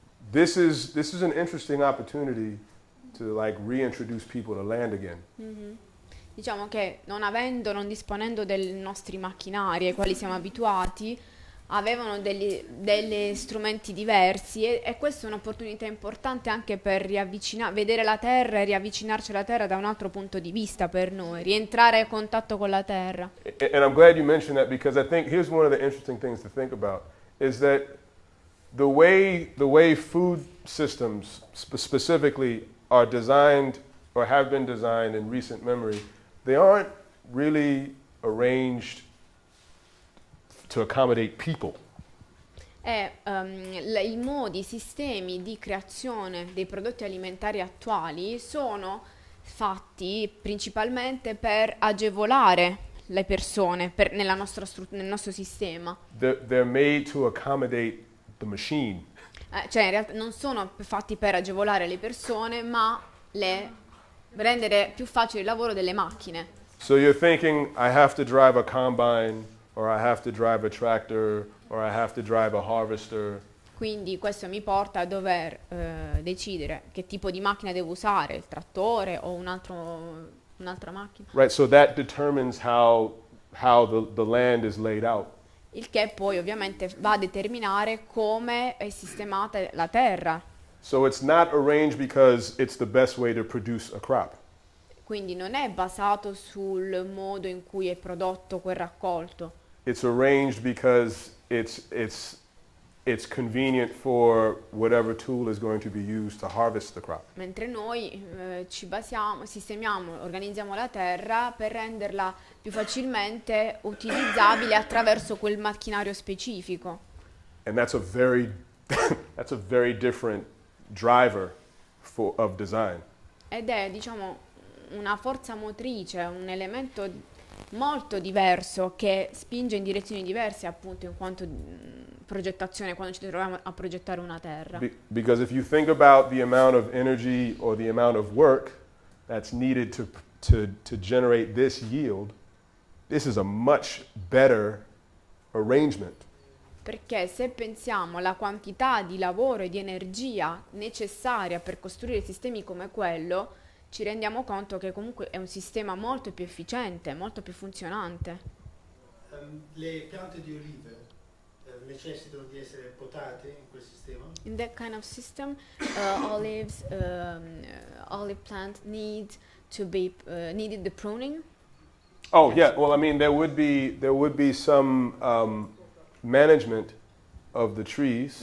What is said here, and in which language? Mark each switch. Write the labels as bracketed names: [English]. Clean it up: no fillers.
[English] This is an interesting opportunity to like reintroduce people to land again. [Italian] Diciamo che non disponendo dei nostri macchinari ai quali siamo abituati, avevano degli strumenti diversi e questa è un'opportunità importante anche per vedere la terra e riavvicinarci alla terra da un altro punto di vista per noi, rientrare in contatto con la terra. [English] And I'm glad you mentioned that because I think here's one of the interesting things to think about is that the way food systems specifically are designed or have been designed in recent memory, they aren't really arranged to accommodate people. [Italian] I modi, i sistemi di creazione dei prodotti alimentari attuali sono fatti principalmente per agevolare le persone nel nostro sistema. [English] They're made to accommodate the machine. [Italian] Cioè, in realtà non sono fatti per agevolare le persone, ma rendere più facile il lavoro delle macchine. [English] So you're thinking I have to drive a combine, or I have to drive a tractor, or I have to drive a harvester. [Italian] Quindi questo mi porta a dover decidere che tipo di macchina devo usare, il trattore o un'altra macchina. [English] Right, so that determines how the land is laid out. [Italian] Il che poi ovviamente va a determinare come è sistemata la terra. [English] So it's not arranged because it's the best way to produce a crop. [Italian] Quindi non è basato sul modo in cui è prodotto quel raccolto. [English] It's arranged because it's convenient for whatever tool is going to be used to harvest the crop. [Italian] Mentre noi ci basiamo, sistemiamo, organizziamo la terra per renderla più facilmente utilizzabile attraverso quel macchinario specifico. [English] And that's a very that's a very different driver for of design. [Italian] Ed è, diciamo, una forza motrice, un elemento molto diverso che spinge in direzioni diverse, appunto, in quanto progettazione, quando ci troviamo a progettare una terra. [English] Because if you think about the amount of energy or the amount of work that's needed to generate this yield, this is a much better arrangement. [Italian] Perché se pensiamo alla quantità di lavoro e di energia necessaria per costruire sistemi come quello, ci rendiamo conto che comunque è un sistema molto più efficiente, molto più funzionante. Le piante di olive necessitano di essere potate in quel sistema? [English] In that kind of system, olives, olive plant need to be needed the pruning? Oh yes. Yeah. Well, I mean, there would be some management of the trees.